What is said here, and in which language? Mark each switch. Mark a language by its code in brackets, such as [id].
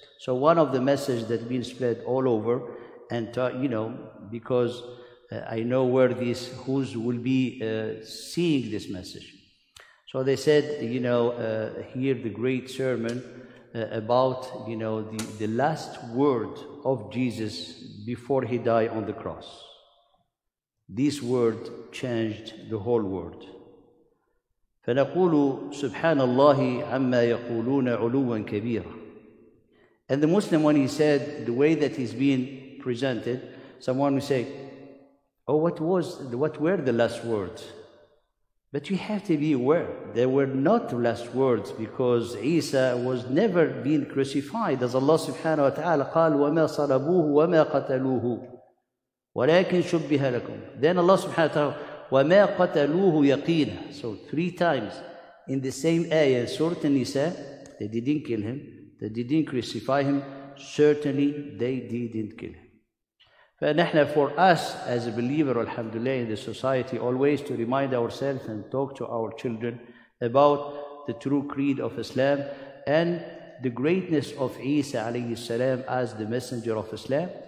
[en] So one of the messages that been spread all over, and you know, because I know where this, who's will be seeing this message. So they said, you know, hear the great sermon about, you know, the last word of Jesus before he died on the cross. This word changed the whole world. [ar] فنقول سبحان الله عما يقولون علوا كبيرا. [en] And the Muslim, when he said the way that he's being presented, someone will say, oh, what were the last words? But you have to be aware, they were not the last words, because Isa was never being crucified. As Allah subhanahu wa ta'ala [ar] قال وما صلبوه وما قتلوه ولكن شبه لكم. [en] Then Allah subhanahu wa ta'ala, [ar] وَمَا قَتَلُوهُ يَقِينًا. [en] So three times in the same ayah, Surah An-Nisa, they didn't kill him, they didn't crucify him, certainly they didn't kill him. [ar] فَنَحْنَا, [en] for us as a believer, alhamdulillah, in the society, always to remind ourselves and talk to our children about the true creed of Islam and the greatness of Isa alayhi salam as the messenger of Islam.